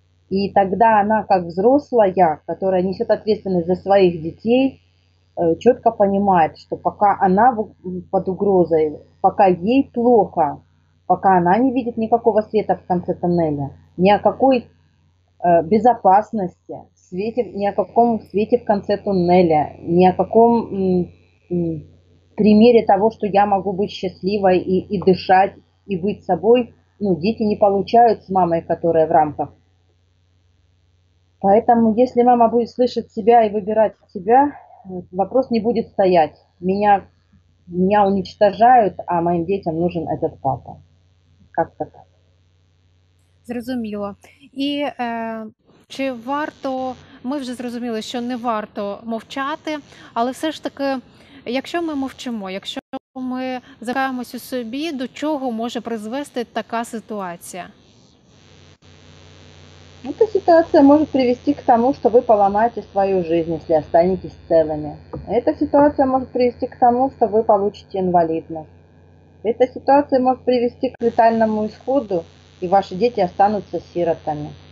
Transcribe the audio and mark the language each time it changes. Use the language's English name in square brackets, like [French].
[Russian] И тогда она, как взрослая, которая несет ответственность за своих детей, четко понимает, что пока она под угрозой, пока ей плохо, пока она не видит никакого света в конце тоннеля, ни о какой безопасности, свете, ни о каком свете в конце тоннеля, ни о каком примере того, что я могу быть счастливой и дышать, и быть собой, ну, дети не получают с мамой, которая в рамках. Поэтому если мама будет слышать себя и выбирать себя, вопрос не будет стоять. Меня уничтожают, [Ukrainian] а моїм дітям [Russian] нужен этот папа. Как-то так. [Ukrainian] Зрозуміло. І чи варто, ми вже зрозуміли, що не варто мовчати, але все ж таки, якщо ми мовчимо, якщо ми закриваємось у собі, до чого може призвести така ситуація? Ну, та ситуація може [Russian] привести к тому, [Ukrainian] що ви поламаєте свою життя, якщо [Russian] останетесь [Ukrainian] цілими. [Russian] Эта ситуация может привести к тому, что вы получите инвалидность. Эта ситуация может привести к летальному исходу, и ваши дети останутся сиротами.